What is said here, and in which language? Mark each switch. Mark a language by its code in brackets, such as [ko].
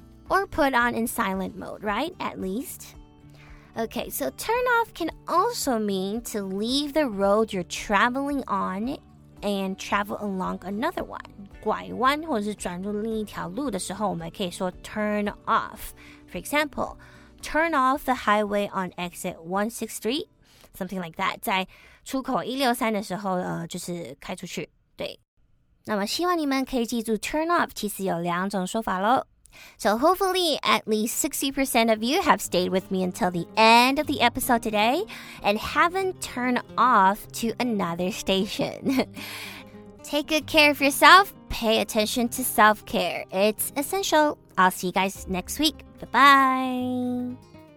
[en] Or put on in silent mode, right? At least. Okay, so turn off can also mean to leave the road you're traveling on and travel along another one. [zh] 拐弯或者是转入另一条路的时候我们可以说 turn off. [en] For example, turn off the highway on exit 163, something like that. [zh] 在出口163的时候就是开出去。对。那么希望你们可以记住 turn off 其实有两种说法咯。 [en] So hopefully at least 60% of you have stayed with me until the end of the episode today and haven't turned off to another station. Take good care of yourself. Pay attention to self-care. It's essential. I'll see you guys next week. Bye-bye.